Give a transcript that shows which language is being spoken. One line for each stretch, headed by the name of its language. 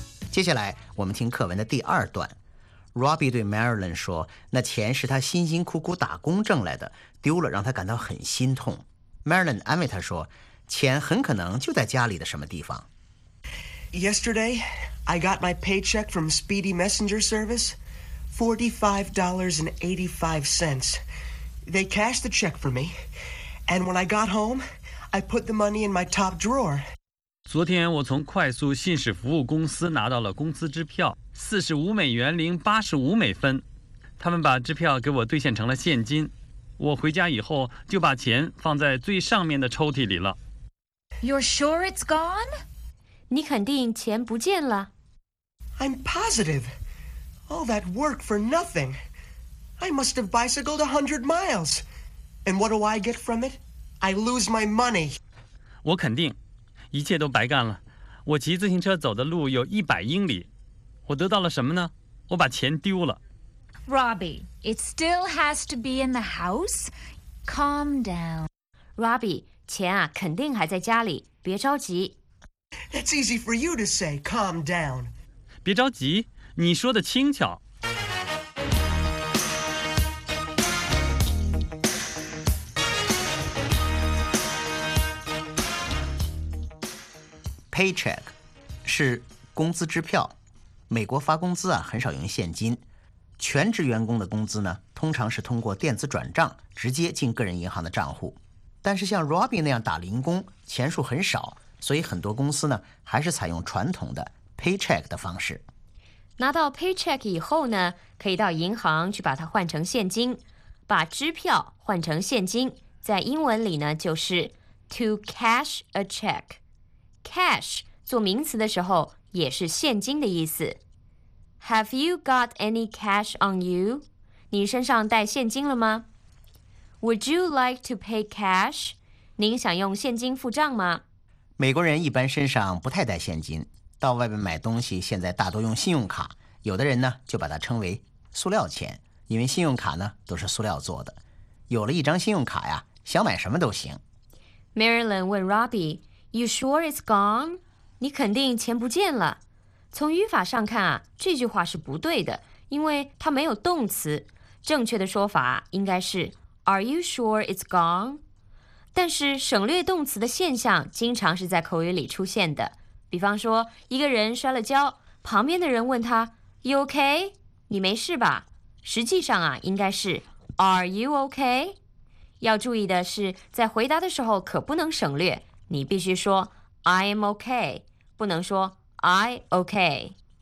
Chinese: 接下来我们听课文的第二段。Robbie 对 Marilyn 说，那钱是他辛辛苦苦打工挣来的，丢了让他感到很心痛。 Marilyn 安慰他说，钱很可能就在家里的什么地方。
English: Yesterday I got my paycheck from Speedy Messenger Service. $45.85. They cashed the check for me, and when I got home, I put the money in my top drawer.
Chinese: 昨天我从快速信使服务公司拿到了工资支票，$45.85。他们把支票给我兑现成了现金。我回家以后就把钱放在最上面的抽屉里了。
English: You're sure it's gone?
Chinese: 你肯定钱不见了。
English: I'm positive. All that work for nothing. I must have bicycled 100 miles. And what do I get from it? I lose my money.
Chinese: 我肯定，一切都白干了。我骑自行车走的路有100英里，我得到了什么呢？我把钱丢了。
English: Robbie, it still has to be in the house. Calm down.
Chinese: Robbie, 钱啊，肯定还在家里，别着急。
English: That's easy for you to say, calm down.
Chinese: 别着急，你说的轻巧。 Paycheck 是工资支票，美国发工资啊，很少用现金。全职员工的工资呢，通常是通过电子转账直接进个人银行的账户。但是像 Robbie 那样打零工，钱数很少，所以很多公司呢还是采用传统的 paycheck 的方式。拿到 paycheck 以后呢，可以到银行去把它换成现金，把支票换成现金，在英文里呢就是
English: to cash a check。
Chinese: Cash 做名词的时候也是现金的意思。
English: Have you got any cash on you?
Chinese: 你身上带现金了吗？
English: Would you like to pay cash?
Chinese: 您想用现金付账吗？美国人一般身上不太带现金，到外面买东西现在大多用信用卡，有的人呢就把它称为塑料钱，因为信用卡呢都是塑料做的。有了一张信用卡呀，想买什么都行。
English: Marilyn
Chinese: 问
English: Robbie, You sure it's gone?
Chinese: 你肯定钱不见了。从语法上看啊，这句话是不对的，因为它没有动词。正确的说法应该是
English: Are you sure it's gone?
Chinese: 但是省略动词的现象经常是在口语里出现的。比方说，一个人摔了跤，旁边的人问他
English: You OK?
Chinese: 你没事吧？实际上啊，应该是
English: Are you OK?
Chinese: 要注意的是，在回答的时候可不能省略，你必须说
English: I am OK,
Chinese: 不能说
English: I OK.